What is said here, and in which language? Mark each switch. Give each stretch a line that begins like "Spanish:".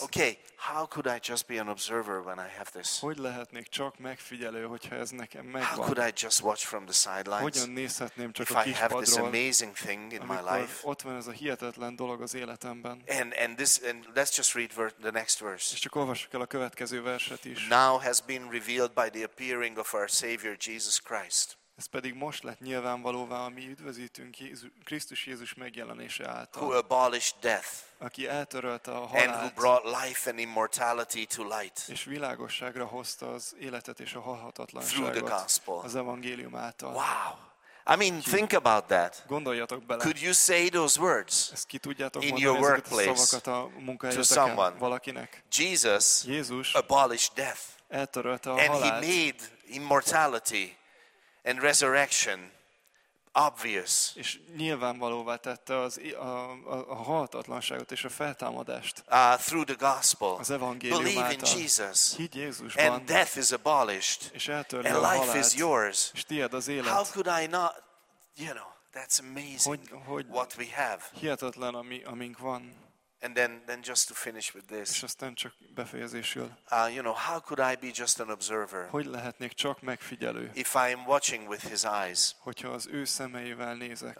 English: Okay, how could I just be an observer when I have this?
Hungarian: Hogy lehetnék csak megfigyelő, hogyha ez nekem megvan?
English: How could I just watch from the sidelines?
Hungarian: Hogyan nézhetném csak
English: if
Hungarian: a kispadról?
English: If I have this amazing thing in my life.
Hungarian: Ott van ez a hihetetlen dolog az életemben.
English: And let's just read the next verse.
Hungarian: És csak olvassuk el a következő verset is.
English: Now has been revealed by the appearing of our Savior Jesus Christ.
Hungarian: Ez pedig most lett nyilvánvalóvá a mi üdvözítünk Krisztus Jézus megjelenése által.
English: Who abolished death.
Hungarian: aki eltörölte a halált,
English: and who brought life and immortality to light,
Hungarian: és világosságra hozta az életet és a halhatatlanságot az evangélium által.
English: Wow. I mean, think about that.
Hungarian: Gondoljatok bele.
English: Could you say those words in your workplace to someone?
Hungarian: Valakinek?
English: Jesus,
Hungarian: Jézus
English: abolished death.
Hungarian: Eltörölte a halált.
English: And he made immortality and resurrection obvious.
Hungarian: És nyilvánvalóvá tette az a halhatatlanságot és a feltámadást.
English: Through the gospel.
Hungarian: Az evangélium által.
English: Believe in Jesus.
Hungarian: Higgy Jézusban.
English: And death is abolished.
Hungarian: És eltörli a halált.
English: Life is yours.
Hungarian: És tiéd az élet.
English: How could I not, you know, that's amazing hogy what we have.
Hungarian: Hihetetlen, amink van.
English: And then just to finish with this.
Hungarian: És aztán csak befejezésül.
English: You know, how could I be just an observer?
Hungarian: Hogy lehetnék csak megfigyelő?
English: If I am watching with his eyes.
Hungarian: Hogyha az ő szemeivel nézek.